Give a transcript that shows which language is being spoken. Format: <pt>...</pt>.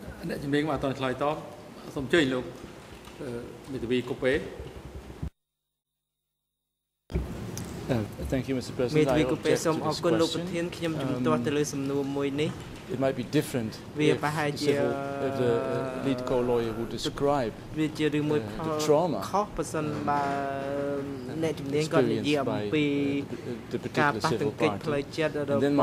<km>អ្នកជំនាញមកអត់តឆ្លើយតបសូមអញ្ជើញលោកមេធាវីកូពេ</km> <en>Thank you Mr. President.</en> <km>មេធាវីកូពេសូមអរគុណលោកប្រធានខ្ញុំជំទាស់ទៅលើសំណួរមួយនេះ</km> <en>It might be different if the lead co-lawyer would describe the trauma</en> <km>ខុសប៉ុន្តែបើអ្នកជំនាញក៏និយាយអំពីការប៉ះទង្គិចផ្លូវចិត្តរប</km>